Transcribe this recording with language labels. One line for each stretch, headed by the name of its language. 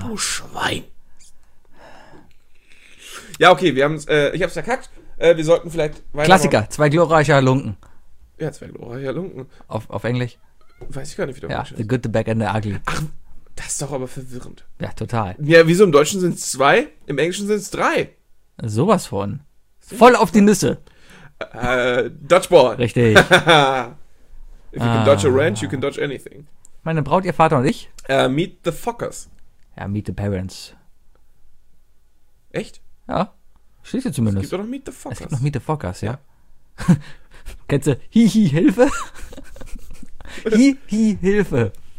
German: Du Schwein. Ja, okay, ich habe es verkackt. Wir sollten vielleicht weiter. Klassiker, machen. Zwei glorreiche Halunken. Ja, zwei glorreiche Halunken. Auf Englisch? Weiß ich gar nicht, wie der Englisch ist. The good, the bad and the ugly. Ach, das ist doch aber verwirrend. Ja, total. Ja, wieso? Im Deutschen sind es zwei, im Englischen sind es drei. Sowas von. Voll auf die Nüsse. Dodgeball. Richtig.
English: If you can dodge a wrench, you can dodge anything.
German: Meine Braut, ihr Vater und ich?
English: Meet the fuckers.
German: Ja, meet the parents. Echt? Ja. Schließe zumindest. Es gibt auch noch Meet the Fockers. Es gibt noch Meet the Fockers, ja. Kennst du? Hihi, Hilfe. Hihi, Hilfe.